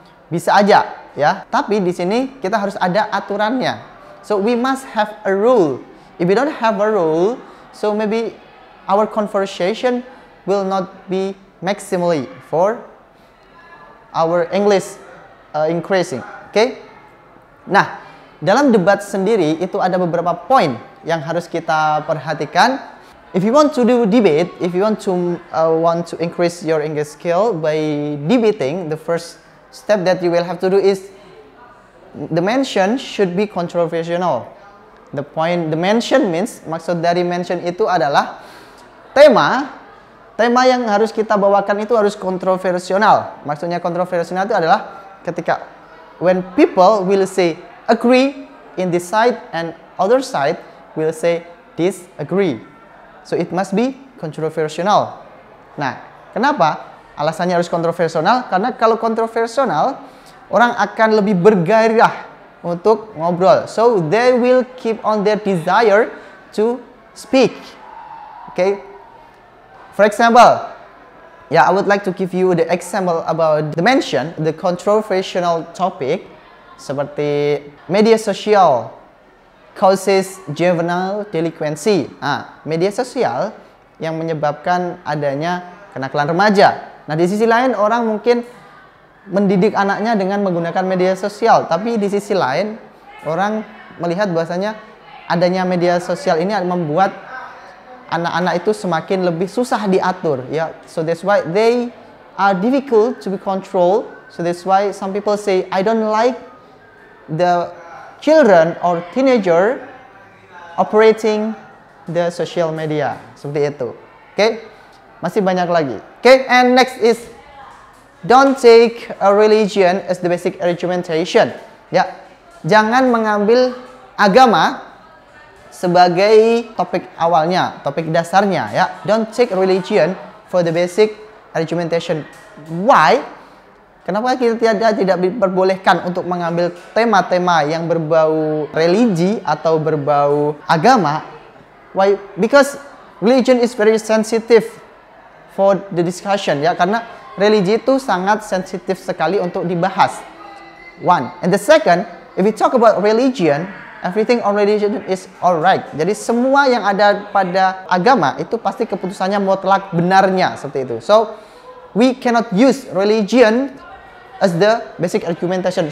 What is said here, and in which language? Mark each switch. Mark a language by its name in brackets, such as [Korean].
[Indonesian] Bisa aja, ya. Tapi di sini kita harus ada aturannya. [English] So we must have a rule. If we don't have a rule, so maybe our conversation will not be maximally for our English increasing, okay? [Indonesian] Nah, dalam debat sendiri itu ada beberapa poin yang harus kita perhatikan. [English] If you want to do debate, if you want to increase your English skill by debating, the first step that you will have to do is the mention should be controversial. The point, the mention means, [Indonesian] maksud dari mention itu adalah tema yang harus kita bawakan itu harus kontroversial. Maksudnya kontroversial itu adalah ketika [English] when people will say agree in this side and other side will say disagree. So it must be controversial. [Indonesian] Nah, kenapa alasannya harus kontroversial? Karena kalau kontroversial, orang akan lebih bergairah untuk ngobrol. [English] So they will keep on their desire to speak. Okay. For example, yeah, I would like to give you the example about the mention, the controversial topic, [Indonesian] seperti media sosial [English] causes juvenile delinquency. [Indonesian] Ah, media sosial yang menyebabkan adanya kenakalan remaja. Nah, di sisi lain orang mungkin mendidik anaknya dengan menggunakan media sosial, tapi di sisi lain orang melihat bahwasanya adanya media sosial ini membuat anak-anak itu semakin lebih susah diatur, ya. [English] So that's why they are difficult to be controlled. So that's why some people say I don't like the children or teenager operating the social media, [Indonesian] seperti itu. [English] Oke, [Indonesian] masih banyak lagi. [English] Oke, and next is don't take a religion as the basic argumentation. [Indonesian] Ya, jangan mengambil agama sebagai topik awalnya, topik dasarnya. [English] Ya, don't take religion for the basic argumentation. Why? [Indonesian] Kenapa kita tidak diperbolehkan untuk mengambil tema-tema yang berbau religi atau berbau agama? [English] Why? Because religion is very sensitive for the discussion. [Indonesian] Ya, karena religi itu sangat sensitif sekali untuk dibahas. [English] One. And the second, if we talk about religion, everything on religion is alright. [Indonesian] Jadi semua yang ada pada agama itu pasti keputusannya mutlak benarnya, seperti itu. [English] So, we cannot use religion as the basic argumentation.